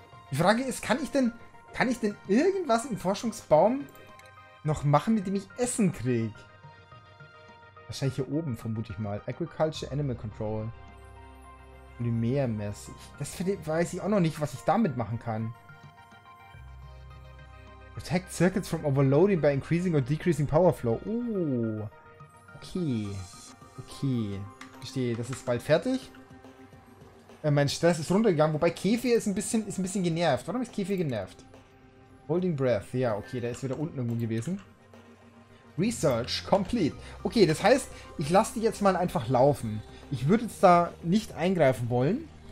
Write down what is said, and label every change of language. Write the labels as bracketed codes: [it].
[de] Die Frage ist, kann ich denn irgendwas im Forschungsbaum noch machen, mit dem ich Essen krieg? Wahrscheinlich hier oben, vermute ich mal. Agriculture, Animal Control. Polymermäßig. Das weiß ich auch noch nicht, was ich damit machen kann. [en] Protect circuits from overloading by increasing or decreasing power flow. Oh. Okay. Okay. [de] Verstehe, das ist bald fertig. Mein Stress ist runtergegangen, wobei Kefir ist ein bisschen genervt. Warum ist Kefir genervt? Holding Breath. Ja, okay, der ist wieder unten irgendwo gewesen. [en] Research complete. [de] Okay, das heißt, ich lasse die jetzt mal einfach laufen. Ich würde jetzt da nicht eingreifen wollen.